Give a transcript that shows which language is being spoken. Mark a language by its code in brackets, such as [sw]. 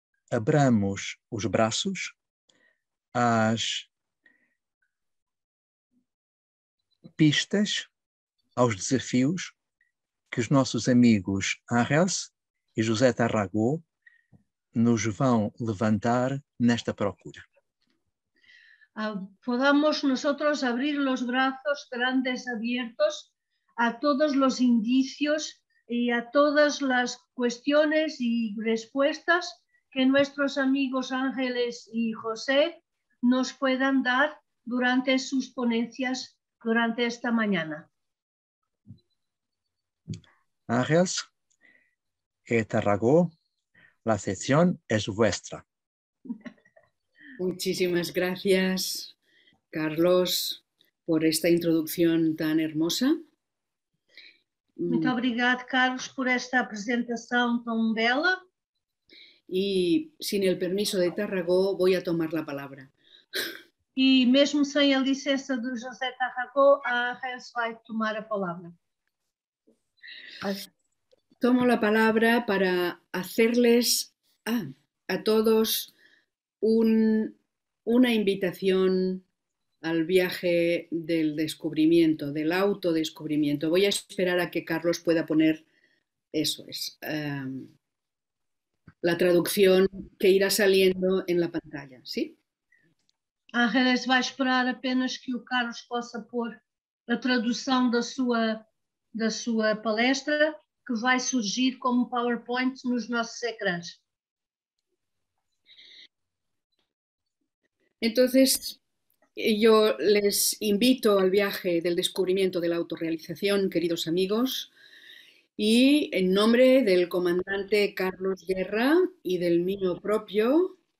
[pt] Abramos os braços às pistas, aos desafios que os nossos amigos Ángeles e José Tarragó nos vão levantar nesta procura. [es] Podamos nosotros abrir los brazos grandes abiertos a todos los indicios y a todas las cuestiones y respuestas que nuestros amigos Ángeles y José nos puedan dar durante sus ponencias durante esta mañana. Ángeles y Tarragó, la sesión es vuestra. Muchísimas gracias, Carlos, por esta introducción tan hermosa. [pt] Muito obrigada, Carlos, por esta apresentação tão bela. [es] E, sin el permiso de Tarragó, voy a tomar la palabra. [pt] E mesmo sem a licença do José Tarragó, a Ángeles vai tomar a palavra. [es] Tomo la palabra para hacerles a todos una invitación al viaje del descubrimiento, del autodescubrimiento. Voy a esperar a que Carlos pueda poner, eso es, la traducción que irá saliendo en la pantalla, ¿sí? [pt] Ángeles, [es] va a esperar [pt] apenas que o Carlos possa pôr a tradução da sua palestra, que vai surgir como PowerPoint nos nossos ecrãs. [es] Entonces, yo les invito al viaje del descubrimiento de la autorrealización, queridos amigos, y en nombre del comandante Carlos Guerra y del mío propio,